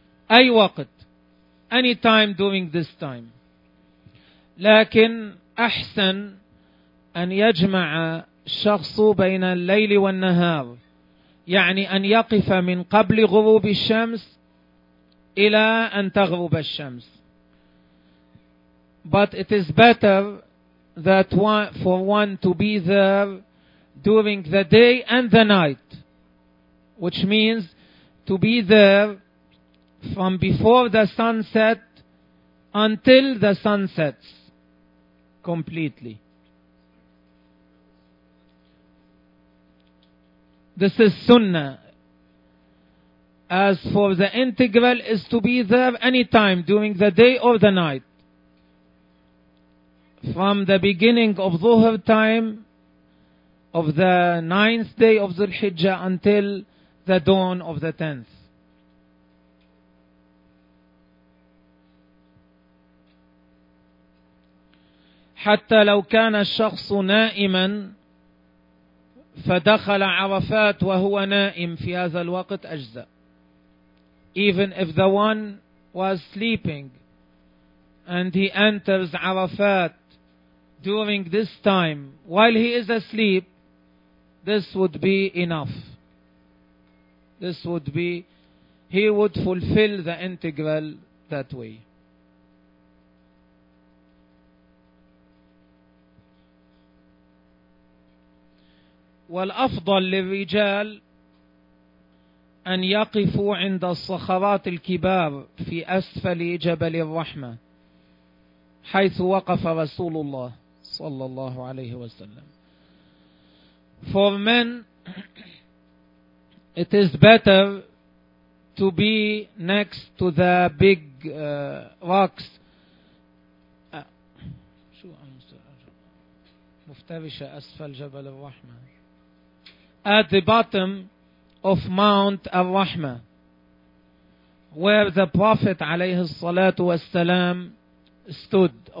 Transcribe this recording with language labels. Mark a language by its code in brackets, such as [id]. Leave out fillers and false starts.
[ar] أي وقت, [en] any time during this time. [ar] لكن أحسن أن يجمع الشخص بين الليل والنهار, يعني أن يقف من قبل غروب الشمس إلى أن تغرب الشمس. [en] But it is better that one, for one to be there during the day and the night, which means to be there from before the sunset until the sun sets completely. This is sunnah. As for the integral, is to be there any time during the day or the night, from the beginning of Dhuhr time of the ninth day of Dhul-Hijjah until the dawn of the tenth. [ar] حتى لو كان الشخص نائما فدخل عرفات وهو نائم في هذا الوقت أجزاء. [en] Even if the one was sleeping and he enters عرفات during this time while he is asleep, this would be enough. This would be, he would fulfill the integral that way. [ar] والأفضل للرجال أن يقفوا عند الصخرات الكبار في أسفل جبل الرحمة حيث وقف رسول الله صلى الله عليه وسلم. [en] For men, it is better to be next to the big rocks. [ar] شو مفترشة أسفل جبل الرحمة. [en] At the bottom of Mount Ar-Rahma, where the Prophet [ar] عليه الصلاة والسلام [en] stood.